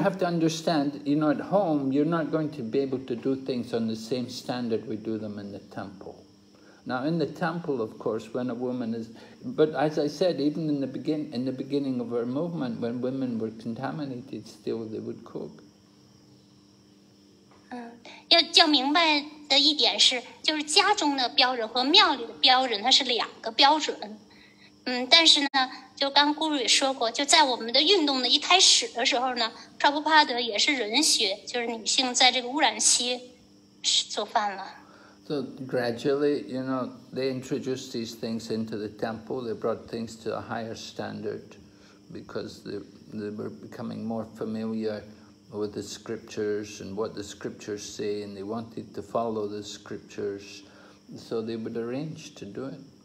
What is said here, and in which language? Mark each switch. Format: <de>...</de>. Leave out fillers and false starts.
<en>We have to understand, you know, at home you're not going to be able to do things on the same standard we do them in the temple. Now, in the temple, of course, when a woman is, but as I said, even in the beginning of our movement, when women were contaminated, still they would cook.</en> <zh>要明白的一点是，就是家中的标准和庙里的标准，它是两个标准。但是呢，就刚Guru也说过，就在我们的运动的一开始的时候呢，Prabhupada也是允许，就是女性在这个污染期做饭了。</zh> <en>So gradually, you know, they introduced these things into the temple. They brought things to a higher standard because they were becoming more familiar with the scriptures and what the scriptures say, and they wanted to follow the scriptures, so they would arrange to do it.</en>